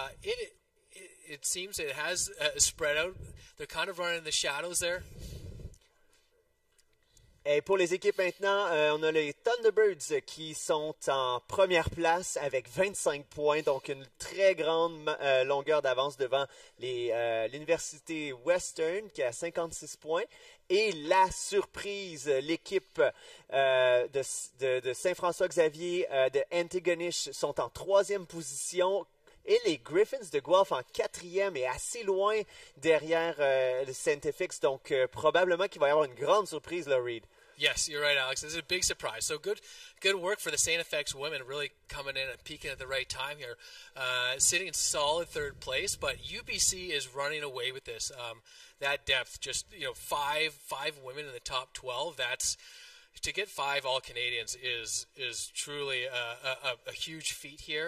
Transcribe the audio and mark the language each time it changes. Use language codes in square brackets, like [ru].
[en] It seems it has spread out. They're kind of running in the shadows there. [fr] Et pour les équipes maintenant, on a les Thunderbirds qui sont en première place avec 25 points, donc une très grande longueur d'avance devant l'Université Western qui a 56 points. Et la surprise, l'équipe de Saint-François-Xavier de Antigonish sont en troisième position. Et les Griffins de Guelph en quatrième et assez loin derrière le Saint-Effix. Donc, probablement qu'il va y avoir une grande surprise, là, Reed. [en] Yes, you're right, Alex. This is a big surprise. So good work for the Saint-Effix women, really coming in and peaking at the right time here, sitting in solid third place. But UBC is running away with this. That depth, just, you know, five women in the top 12, that's... To get five All-Canadians is truly a huge feat here.